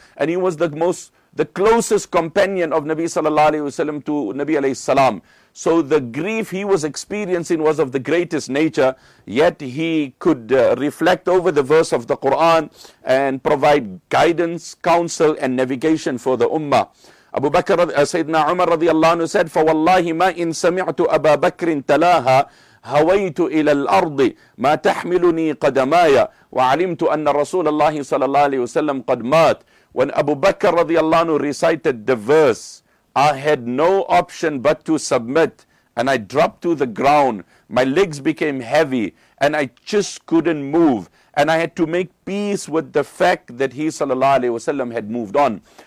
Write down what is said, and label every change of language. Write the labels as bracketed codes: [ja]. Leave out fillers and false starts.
[en] And he was the closest companion of Nabi sallallahu alayhi wasallam to Nabi alayhi salam. So the grief he was experiencing was of the greatest nature, yet he could reflect over the verse of the Quran and provide guidance, counsel and navigation for the ummah. [ar] Abu Bakr, Sayyidina Umar radiallahu anhu said, فَوَاللَّهِ مَا إِن سَمِعْتُ أَبَا بَكْرٍ تَلَاهَا هَوَيْتُ إِلَى الْأَرْضِ مَا تَحْمِلُنِي قَدَمَايَ وَعَلِمْتُ أَنَّ رَسُولَ اللَّهِ صَلَى اللَّهِ عَلَيْهِ وَسَلَّمْ قَدْ مَاتْ. [en] When Abu Bakr radiallahu anhu recited the verse, I had no option but to submit, and I dropped to the ground. My legs became heavy, and I just couldn't move. And I had to make peace with the fact that he sallallahu alayhi wasallam had moved on.